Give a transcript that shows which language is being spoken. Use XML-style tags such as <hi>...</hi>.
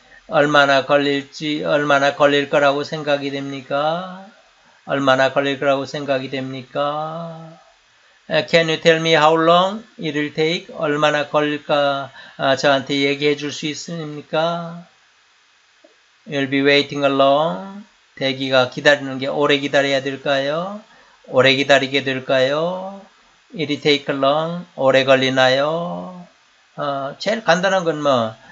<ko>얼마나 걸릴 거라고 생각이 됩니까? 얼마나 걸릴 거라고 생각이 됩니까?</ko> <en>Can you tell me how long it will take?</en> <ko>얼마나 걸릴까? 저한테 얘기해 줄 수 있습니까?</ko> <en>You'll be waiting along.</en> <ko>대기가 기다리는 게 오래 기다려야 될까요? 오래 기다리게 될까요?</ko> <en>It will take long.</en> <ko>오래 걸리나요? 제일 간단한 건 뭐?</ko>